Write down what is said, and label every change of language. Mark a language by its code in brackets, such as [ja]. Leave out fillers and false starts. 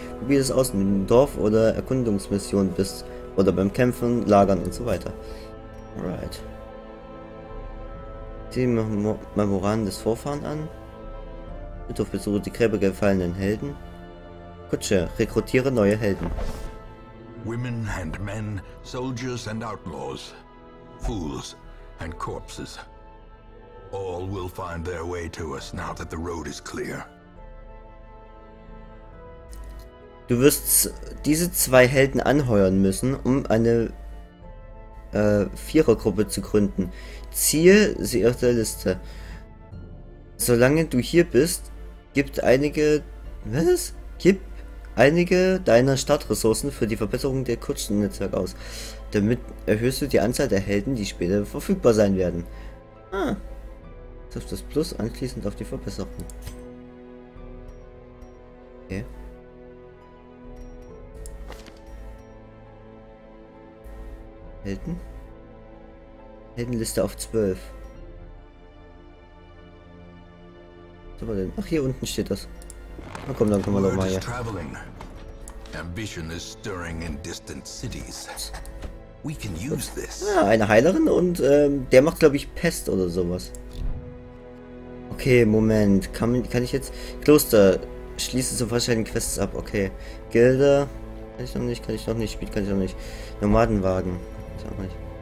[de] Probier es aus, wenn du im Dorf oder Erkundungsmission bist oder beim Kämpfen, Lagern und so weiter. [en] Alright. [de] Sieh dir Memoranden des Vorfahren an. Bitte besuche die Gräber gefallenen Helden. Kutsche, rekrutiere neue Helden. [en] Women and men, soldiers and outlaws. Fools and corpses. All will find their way to us now that the road is clear. [de] Du wirst diese zwei Helden anheuern müssen, um eine Vierergruppe zu gründen. Ziehe sie aus der Liste. Solange du hier bist, gib einige deiner Startressourcen für die Verbesserung der Kutschennetzwerk aus. Damit erhöhst du die Anzahl der Helden, die später verfügbar sein werden. Triff das Plus anschließend auf die Verbesserung. Okay. Helden? Heldenliste auf 12. Was haben wir denn? Ach, hier unten steht das. Na komm, dann kommen wir nochmal hier. [en] Traveling. Ambition is stirring in distant cities. We can use this. [de] Ja, eine Heilerin und der macht, glaube ich, Pest oder sowas. Okay, Moment. Kann ich jetzt. Kloster. Schließe zum Verschein Quests ab. Okay. Gilde. Kann ich noch nicht. Spiel kann ich noch nicht. Nomadenwagen. Ich auch nicht.